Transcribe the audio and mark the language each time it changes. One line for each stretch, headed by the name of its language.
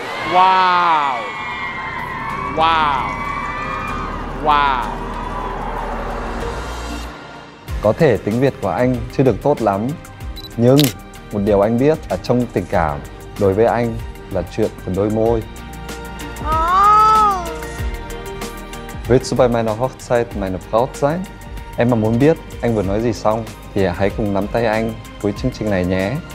Vietnamese: Wow! Wow! Wow. Có thể tiếng Việt của anh chưa được tốt lắm, nhưng một điều anh biết là trong tình cảm, đối với anh là chuyện của đôi môi. Oh.
German: Willst du bei meiner Hochzeit meine Braut sein?
Vietnamese: Em mà muốn biết anh vừa nói gì xong thì hãy cùng nắm tay anh cuối chương trình này nhé.